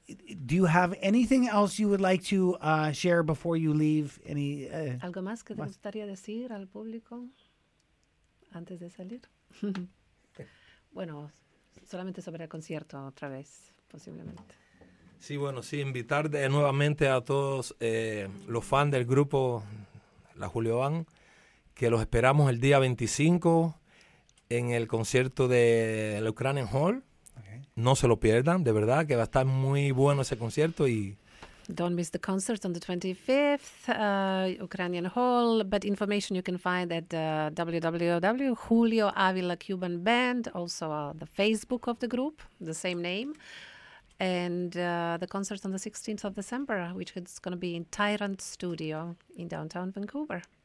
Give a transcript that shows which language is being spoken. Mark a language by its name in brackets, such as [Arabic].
[English] Do you have anything else you would like to share before you leave? [Spanish] ¿Algo más que te gustaría decir al público antes de salir? Bueno, solamente sobre el concierto otra vez, posiblemente. Sí, bueno, sí, invitar nuevamente a todos los fans del grupo La Julio Band, que los esperamos el día 25 en el concierto de la Ukrainian Hall. Okay. No se lo pierdan, de verdad, que va a estar muy bueno ese concierto. Y [English] don't miss the concert on the 25th, Ukrainian Hall, but information you can find at www.julioavilacubanband, also the Facebook of the group, the same name. And the concert on the 16th of December, which is going to be in Tyrant Studio in downtown Vancouver.